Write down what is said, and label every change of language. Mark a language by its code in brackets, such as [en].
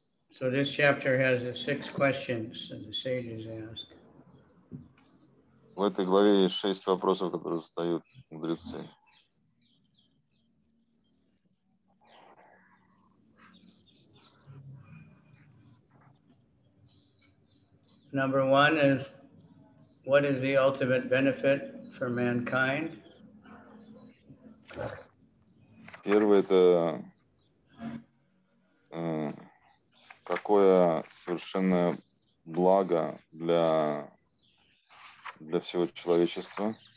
[en] So this chapter has the 6 questions that the sages ask. [ru] В этой главе есть 6 вопросов, которые задают мудрецы. [en] Number one is, what is the ultimate benefit for mankind? [ru] Первое это какое совершенное благо для всего человечества.